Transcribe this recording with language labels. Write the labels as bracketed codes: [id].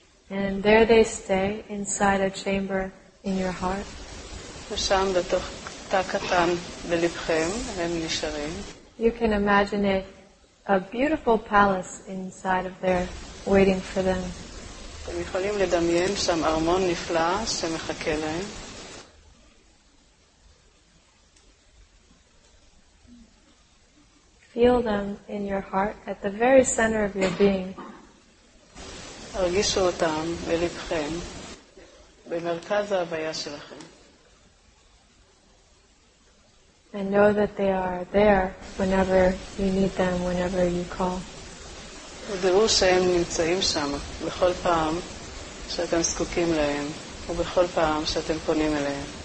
[en] And there they stay inside a chamber in your heart. [he] ושם בתוך תא קטן בלבכם הם נשארים. [en] You can imagine it, a beautiful palace inside of there waiting for them. [he] אתם יכולים לדמיין שם ארמון נפלא שמחכה להם. [en] Feel them in your heart at the very center of your being. [he] הרגישו אותם בלבכם, במרכז ההוויה שלכם. [en] And know that they are there whenever you need them, whenever you call. [he] ודעו שהם נמצאים שם בכל פעם שאתם זקוקים להם ובכל פעם שאתם פונים אליהם.